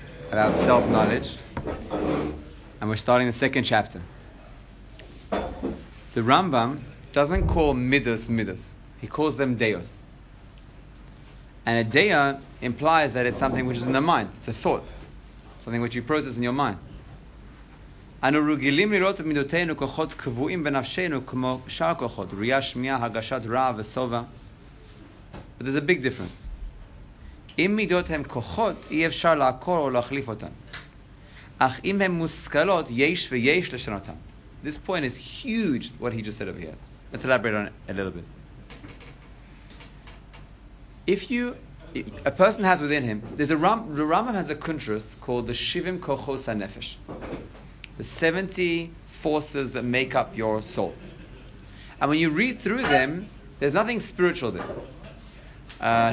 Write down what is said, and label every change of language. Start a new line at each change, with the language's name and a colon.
English: About self-knowledge. And we're starting the second chapter. The Rambam doesn't call midas midas. He calls them deos. And a dea implies that it's something which is in the mind. It's a thought. Something which you process in your mind.
Hebrew: אנו רגילים לראות במידותינו כוחות קבועים בנפשנו כמו שאר כוחות, ראייה שמיעה, הגשת רע וסובע.
English: But there's a big difference.
Hebrew: אם מידות הן כוחות, אי אפשר לעקור או להחליף אותן. אך אם הן מושכלות, יש ויש לשנותן.
English: This point is huge, what he just said over here. Let's elaborate on it a little bit. If you, a person has within him, there's a Ram, the Rambam has a kuntras called the Shivim Kochos HaNefesh. The 70 forces that make up your soul. And when you read through them, there's nothing spiritual there.